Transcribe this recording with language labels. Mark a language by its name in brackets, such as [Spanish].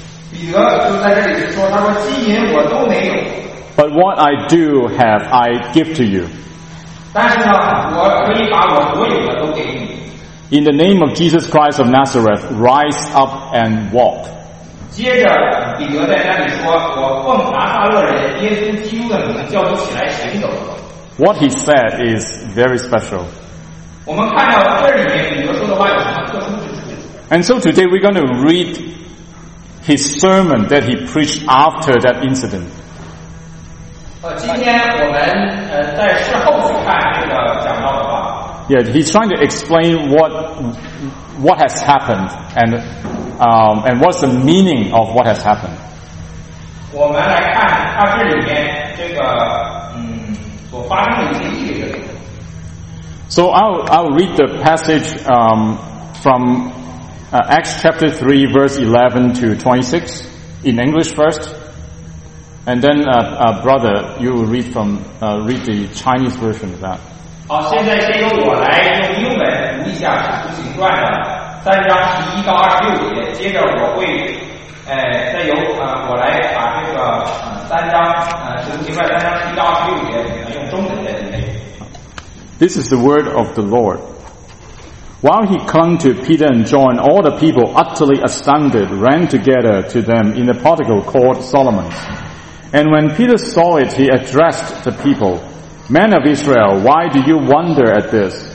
[Chinese] 彼得就在这里说，他说金银我都没有。 [English] But what I do have, I give to you. [Chinese] 但是呢，我可以把我所有的都给你。 [English] In the name of Jesus Christ of Nazareth, rise up and walk. [Chinese] 接着彼得在那里说，我奉拿撒勒人耶稣基督的名叫你起来行走。 [English] What he said is very special. [Chinese] 我们看到这里面彼得说的话有什么特殊之处。 [English] And so today we're going to read his sermon that he preached after that incident. [Chinese] 今天我们在事后去看这个讲道的话。 [English] Yeah, he's trying to explain what has happened and what's the meaning of what has happened. [Chinese] 我们来看他这里面这个所发生的一些意义。 [English] So I'll read the passage from Acts chapter 3 verse 11 to 26 in English first, and then brother, you will read from read the Chinese version of that. [Chinese] 好，现在先由我来用英文读一下《使徒行传》的三章十一到二十六节。接着我会，再由我来把这个三章《使徒行传》三章十一到二十六节用中文来读。 [English] This is the word of the Lord. While he clung to Peter and John, all the people, utterly astounded, ran together to them in the portico called Solomon's. And when Peter saw it, he addressed the people. Men of Israel, why do you wonder at this?